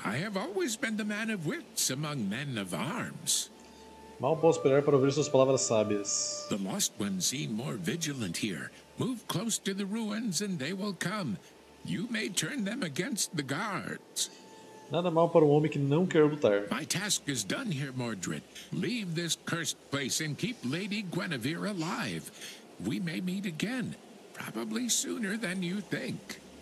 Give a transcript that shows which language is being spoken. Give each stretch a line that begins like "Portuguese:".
English: I have always been the man of wits among men of arms.
Portuguese: Mal posso esperar para ouvir suas palavras sábias.
English: The lost ones seem more vigilant here. Move close to the ruins and they will come. You may turn them against the guards.
Portuguese: Nada mal para um homem que não quer lutar.
English: My task is done here, Mordred. Leave this cursed place and keep Lady Guinevere alive. We may meet again, probably sooner than you think.